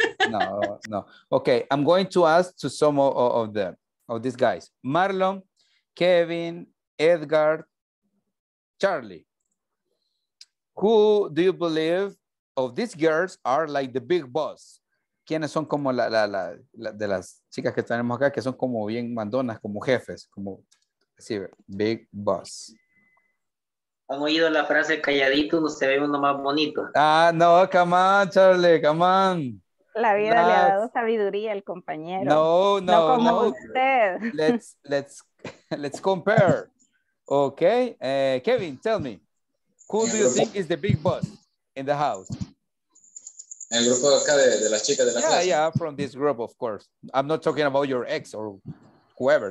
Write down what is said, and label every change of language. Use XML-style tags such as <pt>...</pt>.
<en>No, no. Okay, I'm going to ask to some of these guys. Marlon, Kevin, Edgar, Charlie, who do you believe of these girls are like the big boss?</en> <es>¿Quiénes son como la de las chicas que tenemos acá, que son como bien mandonas, como jefes, como así,</es> <en>big boss?</en> <es>¿Han oído la frase calladito, no se ve uno más bonito?</es> <en>Ah, no, come on, Charlie, come on.</en> <es>La vida le ha dado sabiduría al compañero. No, no, no. No como usted.</es> <en>Let's compare. Okay, Kevin, tell me, who do you think is the big boss in the house?</en> <es>El grupo acá de las chicas de la clase.</es> <en>Yeah, from this group, of course. I'm not talking about your ex or whoever.</en>